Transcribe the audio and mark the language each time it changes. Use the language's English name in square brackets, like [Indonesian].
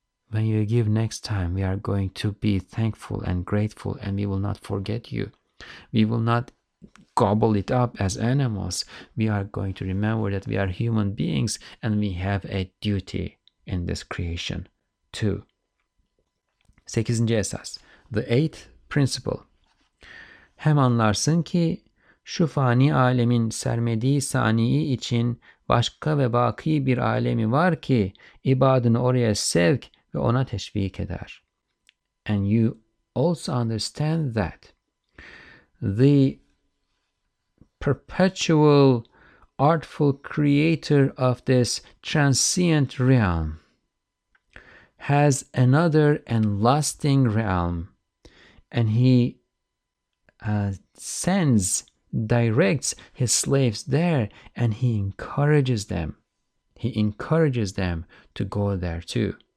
[English] When you give next time, we are going to be thankful and grateful, and we will not forget you. We will not gobble it up as animals. We are going to remember that we are human beings and we have a duty in this creation too. [Turkish] Sekizinci esas, [English] the eighth principle. [Turkish] Hem anlarsın ki şu fani alemin sermediği saniye için başka ve baki bir alemi var ki ibadını oraya sevk ve ona teşvik eder. [English] And you also understand that the perpetual artful creator of this transient realm has another and lasting realm, and he directs his slaves there, and he encourages them to go there too.